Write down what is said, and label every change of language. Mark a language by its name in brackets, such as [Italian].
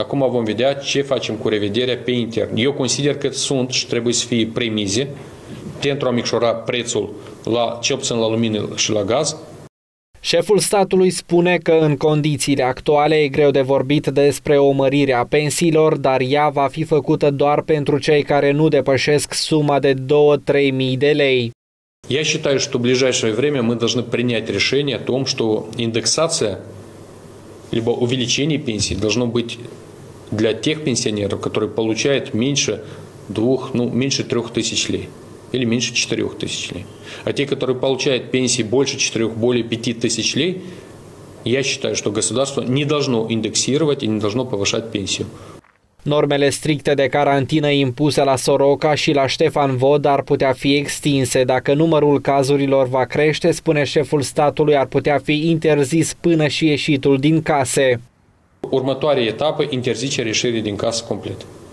[Romanian] Acum vom vedea ce facem cu revederea pe intern. Eu consider că sunt și trebuie să fie premize pentru a micșora prețul la cel puțin la lumină și la gaz. Șeful statului spune că în condițiile actuale e greu de vorbit despre o mărire a pensiilor, dar ea va fi făcută doar pentru cei care nu depășesc suma de 2-3 mii de lei. [Russian] Я считаю, что в ближайшее время мы должны принять решение о том, что индексация либо увеличение пенсии должно быть для тех пенсионеров, которые получают меньше 2, ну, меньше 3 тысяч лей или меньше 4 тысяч лей. А те, которые получают пенсии больше 4, более 5 тысяч лей, я считаю, что государство не должно индексировать и не должно повышать пенсию. [Romanian] Normele stricte de carantină impuse la Soroca și la Ștefan Vod ar putea fi extinse. Dacă numărul cazurilor va crește, spune șeful statului, ar putea fi interzis până și ieșitul din case. Următoarea etapă, interzicerea ieșirii din casă complet.